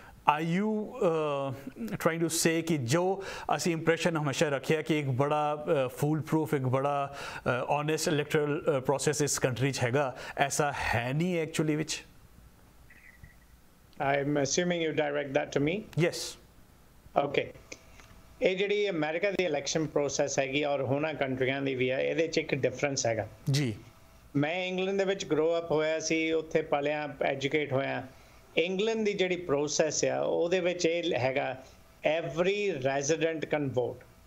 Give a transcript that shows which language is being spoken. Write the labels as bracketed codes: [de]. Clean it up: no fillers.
[en] are you trying to say [pa] ਕਿ ਜੋ ਅਸੀਂ ਇੰਪ੍ਰੈਸ਼ਨ ਹਮੇਸ਼ਾ ਰੱਖਿਆ ਕਿ ਇੱਕ ਬੜਾ ਫੂਲ ਪਰੂਫ, ਇੱਕ ਬੜਾ ਓਨੈਸਟ ਇਲੈਕਟਰਲ ਪ੍ਰੋਸੈਸ ਇਸ ਕੰਟਰੀ 'ਚ ਹੈਗਾ, ਐਸਾ ਹੈ ਨਹੀਂ ਐਕਚੁਅਲੀ ਵਿੱਚ? [en] I'm assuming you direct that to me. Yes. Okay. [pa] ਇਹ ਜਿਹੜੀ ਅਮੈਰੀਕਾ ਦੀ ਇਲੈਕਸ਼ਨ ਪ੍ਰੋਸੈਸ ਹੈਗੀ ਔਰ ਹੋਣਾ ਕੰਟਰੀਆਂ ਦੀ ਵੀ ਹੈ, ਇਹਦੇ 'ਚ ਇੱਕ ਡਿਫਰੈਂਸ ਹੈਗਾ ਜੀ. ਮੈਂ ਇੰਗਲੈਂਡ ਦੇ ਵਿੱਚ ਗਰੋ ਅਪ ਹੋਇਆ ਸੀ, ਉੱਥੇ ਪਲਿਆਂ ਐਜੂਕੇਟ ਹੋਇਆ। ਇੰਗਲੈਂਡ ਦੀ ਜਿਹੜੀ ਪ੍ਰੋਸੈਸ ਆ ਉਹਦੇ ਵਿੱਚ ਇਹ ਹੈਗਾ, [en] Every resident can vote.